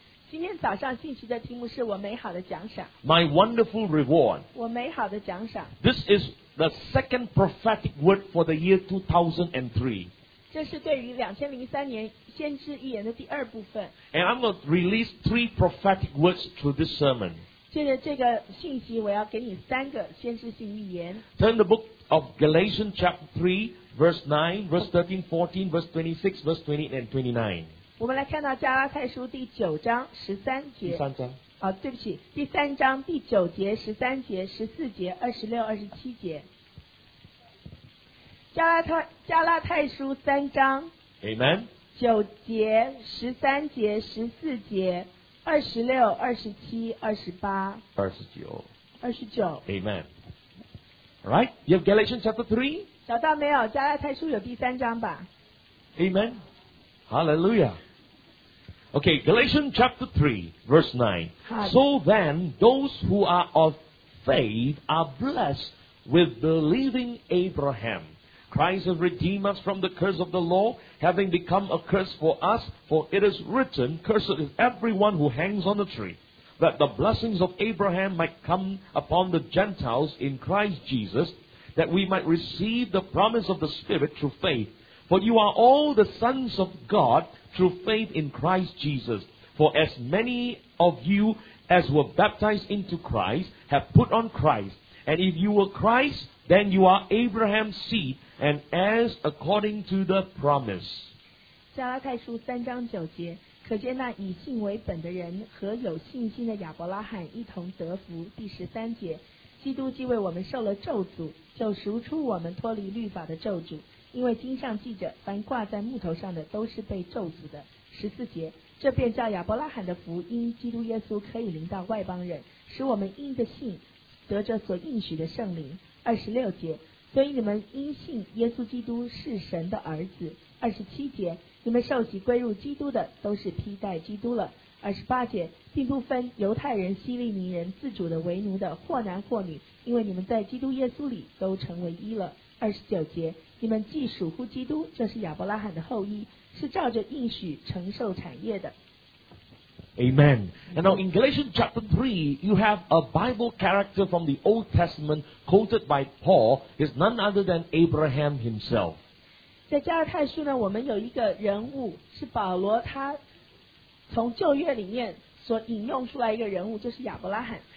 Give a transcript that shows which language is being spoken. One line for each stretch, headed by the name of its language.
Chinese: 今天早上信息的题目是我美好的奖赏。
English: My Wonderful Reward.
Chinese: 我美好的奖赏。
English: This is the second prophetic word for the year 2003.
Chinese: 这是对于2003年先知预言的第二部分。
English: And I'm going to release three prophetic words through this sermon.
Chinese: 借着这个信息我要给你三个先知性预言。
English: Turn the book of Galatians chapter 3. Verse 9, verse 13, 14, verse 26, verse 28 and 29.
Chinese: 我们来看到加拉太书第九章十三节。第三章。哦，对不起，第三章第九节、十三节、十四节、二十六、二十七节。加拉太书三章。
English: Amen.
Chinese: 九节、十三节、十四节、二十六、二十七、二十八。二十九。二十九。
English: Amen. All right, you have Galatians chapter 3?
Chinese: 找到没有？加拉太书有第三章吧。
English: Amen. Hallelujah. Okay, Galatians chapter 3, verse 9. So then, those who are of faith are blessed with believing Abraham. Christ has redeemed us from the curse of the law, having become a curse for us, for it is written, Cursed is everyone who hangs on a tree, that the blessings of Abraham might come upon the Gentiles in Christ Jesus,that we might receive the promise of the Spirit through faith. For you are all the sons of God through faith in Christ Jesus. For as many of you as were baptized into Christ have put on Christ. And if you were Christ, then you are Abraham's seed and heirs according to the promise.
Chinese: 加拉太书三章九节可见那以信为本的人和有信心的亚伯拉罕一同得福。第十三节，基督既为我们受了咒诅，就赎出我们脱离律法的咒诅，因为经上记着，凡挂在木头上的都是被咒诅的。十四节，这便叫亚伯拉罕的福因基督耶稣可以临到外邦人，使我们因着信得着所应许的圣灵。二十六节，所以你们因信耶稣基督是神的儿子。二十七节，你们受洗归入基督的都是披戴基督了。二十八节，并不分犹太人、希利尼人、自主的、为奴的，或男或女，因为你们在基督耶稣里都成为一了。二十九节，你们既属乎基督，这是亚伯拉罕的后裔，是照着应许承受产业的。
English: Amen. And now in Galatians chapter 3, you have a Bible character from the Old Testament quoted by Paul is none other than Abraham himself.
Chinese: 在加拉太书呢，我们有一个人物是保罗他从旧约里面所引用出来一个人物，就是亚伯拉罕。